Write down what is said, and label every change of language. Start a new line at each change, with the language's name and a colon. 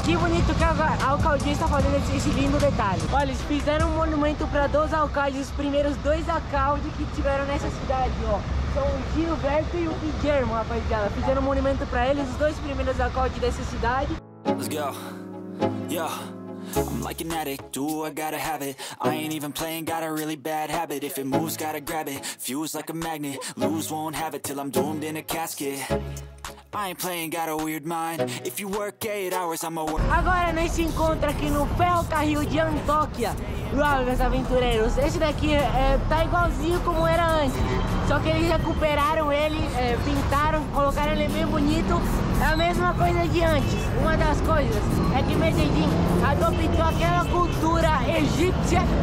Portuguese: Que bonito que a alcaldia está fazendo esse lindo detalhe. Olha, eles fizeram um monumento para dois alcaldes, os primeiros dois alcaldes que tiveram nessa cidade, ó. São o Gilberto e o Guilherme, rapaziada. Fizeram um monumento para eles, os dois primeiros alcaldes dessa cidade.
English: Let's go, yo. I'm like an addict, do I gotta have it. I ain't even playing, got a really bad habit. If it moves, gotta grab it. Fuse like a magnet, lose, won't have it. Till I'm doomed in a casket. I ain't playing, got a weird mind. If you work 8 hours, I'ma work.
Portuguese: Agora nós se encontra aqui no ferrocarril de Antioquia. Uau, meus aventureiros, esse daqui tá igualzinho como era antes. Só que eles recuperaram ele, pintaram, colocaram ele bem bonito. É a mesma coisa de antes. Uma das coisas é que Medellín adotou aquela cultura egípcia.